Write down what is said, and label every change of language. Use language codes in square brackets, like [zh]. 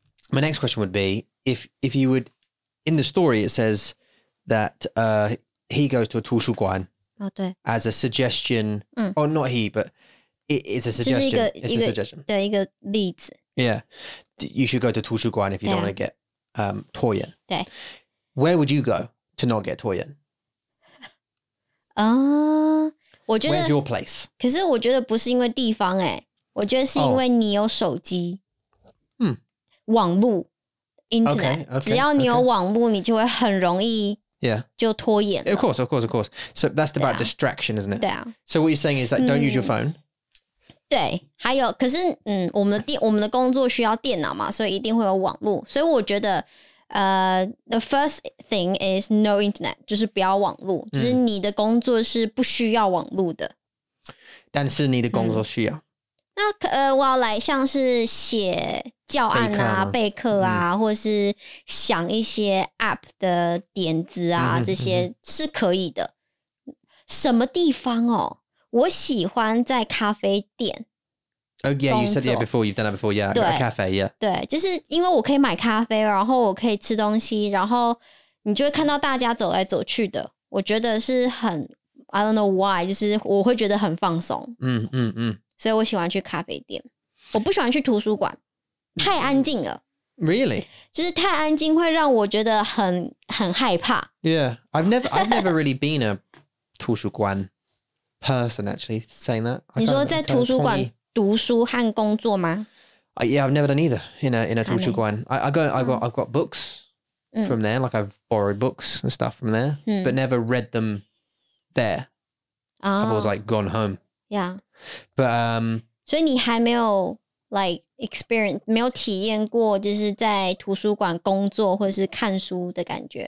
[en] My next question would be, if you would, in the story, it says that he goes to a 图书馆 as a suggestion, or not he, but it's a suggestion. [zh] 就是一个, [en] it's a suggestion. 对, yeah. You should go to 图书馆 if you don't want to get 拖延. [zh] 对. [en] Where would you go to not get 拖延? [zh] 我觉得, [en] Where's your place? [zh] 可是我觉得不是因为地方诶, 我觉得是因为你有手机, oh. hmm. 网路, internet, okay, okay, 只要你有网路, okay. 你就会很容易 [en] Yeah. [zh] 就拖延了. [en] Of course, of course, of course. So that's about distraction, isn't it? [zh] 对啊. [en] So what you're saying is that don't use your phone. [zh] 对, 还有, 可是, 我们的工作需要电脑嘛, 所以一定会有网路, 所以我觉得, [en] the first thing is no internet, [zh] 就是不要网路, 就是你的工作是不需要网路的。但是你的工作需要。那, well, like, 像是写教案啊, 备课啊, 或是想一些app的点子啊, 这些是可以的。什么地方哦?我喜欢在咖啡店。 [en] Oh, yeah, you said that before, you've done that before, yeah, a cafe, yeah. [zh] 对,就是因为我可以买咖啡, 然后我可以吃东西, 然后你就会看到大家走来走去的。我觉得是很, [en] I don't know why, [zh] 就是我会觉得很放松。所以我喜欢去咖啡店, 我不喜欢去图书馆, 太安静了。 [en] Really? [zh] 就是太安静会让我觉得很害怕。 [en] Yeah, I've never really been a 图书馆 person, actually, saying that. [zh] 你说在图书馆, 读书和工作吗? [en] Yeah, I've never done either in a 图书馆. I've got books from there, like I've borrowed books and stuff from there, but never read them there. Oh. I've always like gone home. Yeah. But [zh] 所以你还没有 like experience 没有体验过就是在图书馆工作或是看书的感觉?